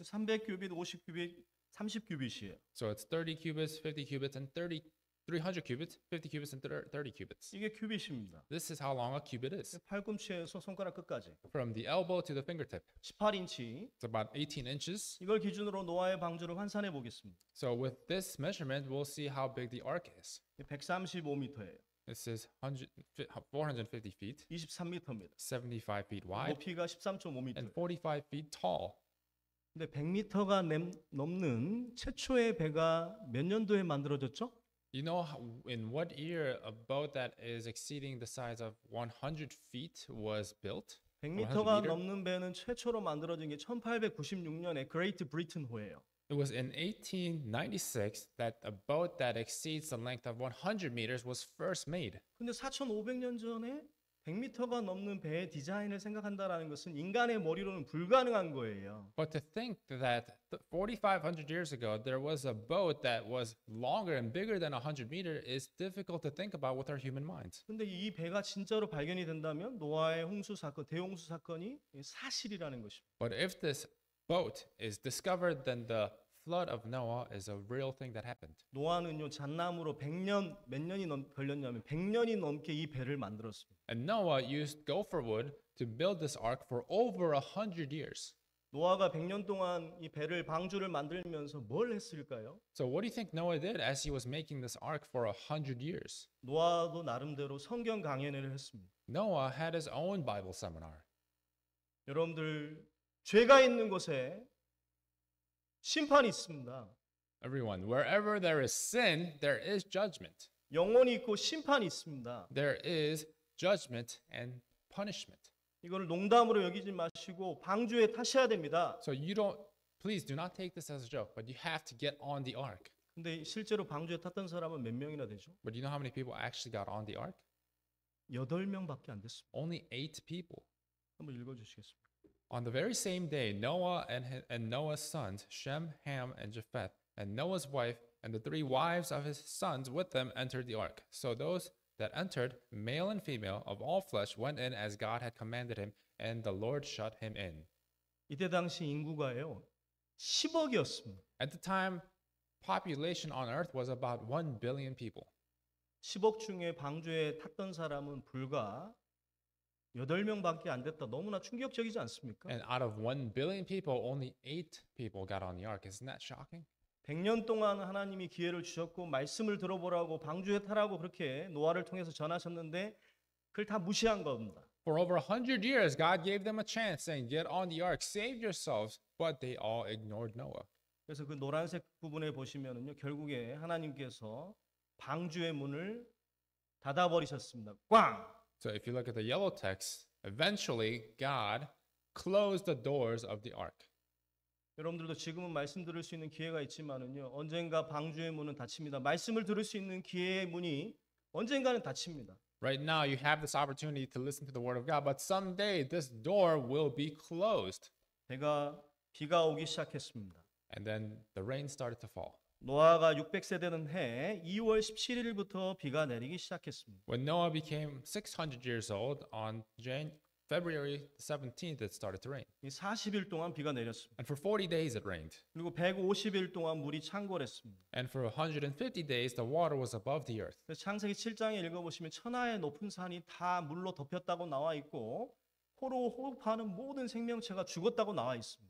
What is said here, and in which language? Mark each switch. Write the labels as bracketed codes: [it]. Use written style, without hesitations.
[ko] 300 cubits, 50 cubits, 30 cubits이에요. [en] So it's 30 cubits, 50 cubits, and 300 cubits, 50 cubits, and 30 cubits. [ko] 이게 cubits입니다. [en] This is how long a cubit is. [ko] 팔꿈치에서 손가락 끝까지. [en] From the elbow to the fingertip. [ko] 18인치. [en] It's about 18 inches. [ko] 이걸 기준으로 노아의 방주를 환산해 보겠습니다. [en] So with this measurement, we'll see how big the ark is. [ko] 135m예요. [en] It says 450 feet, [ko] 23m입니다. [en] 75 feet wide, [ko] 높이가 13.5m, [en] and 45 feet tall. [ko] 근데 100m가 넘는 최초의 배가 몇 년도에 만들어졌죠? [en] You know in what year a boat that is exceeding the size of 100 feet was built? [ko] 100m가 넘는 배는 최초로 만들어진 게 1896년에 Great Britain 호예요. [en] It was in 1896 that a boat that exceeds the length of 100 meters was first made. [ko] 근데 4,500년 전에 100m가 넘는 배의 디자인을 생각한다라는 것은 인간의 머리로는 불가능한 거예요. [en] But to think that 4,500 years ago there was a boat that was longer and bigger than 100 meters is difficult to think about with our human minds. [ko] 근데 이 배가 진짜로 발견이 된다면 노아의 홍수 사건, 대홍수 사건이 사실이라는 것입니다. [en] But if this boat is discovered, then the flood of Noah is a real thing that happened. [ko] 노아는요 잣나무로 100년 몇 년이 넘 걸렸냐면 100년이 넘게 이 배를 만들었습니다. [en] And Noah used gopher wood to build this ark for over 100 years. [ko] 노아가 100년 동안 이 배를 방주를 만들면서 뭘 했을까요? [en] So what do you think Noah did as he was making this ark for 100 years? [ko] 노아도 나름대로 성경 강연회를 했습니다. [en] Noah had his own Bible seminar. [ko] 여러분들 죄가 있는 곳에 심판이 있습니다. [en] Everyone, wherever there is sin, there is judgment. [ko] 영혼이 있고 심판이 있습니다. [en] There is judgment and punishment. [ko] 이거를 농담으로 여기지 마시고 방주에 타셔야 됩니다. [en] So you don't, please do not take this as a joke, but you have to get on the ark. [ko] 근데 실제로 방주에 탔던 사람은 몇 명이나 되죠? [en] But you know how many people actually got on the ark? [ko] 8명밖에 안 됐습니다. [en] Only 8 people. [ko] 한번 읽어주시겠습니다. [en] On the very same day, Noah and Noah's sons, Shem, Ham, and Japheth, and Noah's wife, and the three wives of his sons with them entered the ark. So those that entered, male and female, of all flesh, went in as God had commanded him, and the Lord shut him in. [ko] 이때 당시 인구가요, 10억이었습니다. [en] At the time, population on earth was about 1 billion people. [ko] 10억 중에 방주에 탔던 사람은 불과 8명밖에 안 됐다. 너무나 충격적이지 않습니까? [en] And out of 1 billion people, only 8 people got on the ark. Isn't that shocking? [ko] 100년 동안 하나님이 기회를 주셨고 말씀을 들어보라고 방주에 타라고 그렇게 노아를 통해서 전하셨는데 그걸 다 무시한 겁니다. [en] For over 100 years, God gave them a chance saying, get on the ark, save yourselves, but they all ignored Noah. [ko] 그래서 그 노란색 부분에 보시면은요, 결국에 하나님께서 방주의 문을 닫아 버리셨습니다. 꽝. [en] So if you look at the yellow text, eventually God closed the doors of the ark. [ko] 여러분들도 지금은 말씀 들을 수 있는 기회가 있지만은요. 언젠가 방주의 문은 닫힙니다. 말씀을 들을 수 있는 기회의 문이 언젠가는 닫힙니다. [en] Right now you have this opportunity to listen to the word of God, but someday this door will be closed. [ko] 제가 비가 오기 시작했습니다. [en] And then the rain started to fall. [ko] 노아가 600세 되는 해 2월 17일부터 비가 내리기 시작했습니다. [en] When Noah became 600 years old on February 17th it started to rain. [ko] 40일 동안 비가 내렸습니다. [en] And for 40 days it rained. [ko] 그리고 150일 동안 물이 창궐했습니다. [en] And for 150 days the water was above the earth. [ko] 창세기 7장에 읽어 보시면 천하의 높은 산이 다 물로 덮였다고 나와 있고 코로 호흡하는 모든 생명체가 죽었다고 나와 있습니다.